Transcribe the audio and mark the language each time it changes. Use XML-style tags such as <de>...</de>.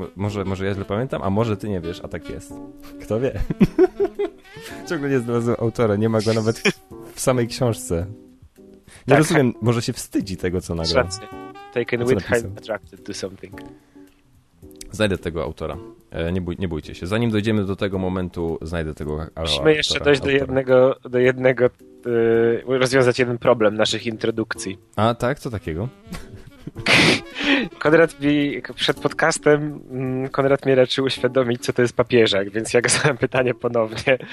<pl>Może ja źle pamiętam, a może ty nie wiesz, a tak jest. Kto wie? Ciągle nie znalazłem autora, nie ma go nawet w samej książce. Nie tak, rozumiem, może się wstydzi tego, co nagrał.</pl> <en>Taken with, I'm attracted to something.</en> <pl>Znajdę tego autora. Nie bójcie się. Zanim dojdziemy do tego momentu, znajdę tego autora. Musimy jeszcze dojść do jednego rozwiązać jeden problem naszych introdukcji. A tak? Co takiego? Konrad mi przed podcastem raczył uświadomić, co to jest papieżak, więc ja zadam pytanie ponownie.</pl>